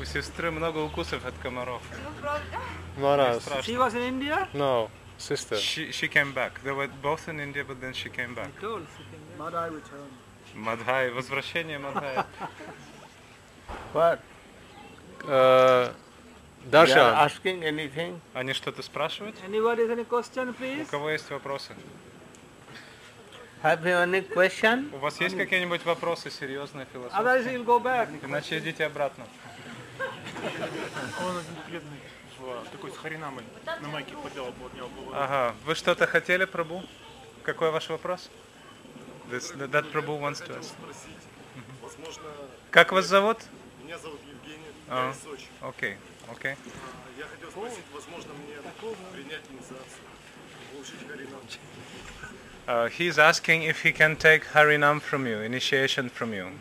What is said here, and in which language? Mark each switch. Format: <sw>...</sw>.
<ru>У сестры много укусов от комаров.</ru> <en>No, no. She was in India? No. Sister. She came back. They were both in India, but then she came back. Madhai returned.</en> <ru>Madhai. Возвращение Madhai.</ru> <en>What?</en> <ru>Даша.</ru> <en>You are asking anything?</en> <ru>Они что-то спрашивают?</ru> <en>Anybody has any question, please?</en> <ru>У кого есть вопросы?</ru> <en>Have you any question?</en> <ru>У вас есть какие-нибудь вопросы серьезные, философские?</ru> <en>Otherwise you'll go back.</en> <ru>Иначе идите обратно. Он один бедный. Такой с Харинамой на майке поделал, поднял голову. Ага, вы что-то хотели, Прабу? Какой ваш вопрос?</ru> <en>That Прабу wants to ask.</en> <ru>Возможно... Как вас зовут? Меня зовут Евгений, я из Сочи. Окей. Я хотел спросить, возможно, мне принять инициацию, получить Харинаму.</ru> <en>He is asking if he can take Харинам from you, initiation from you.</en>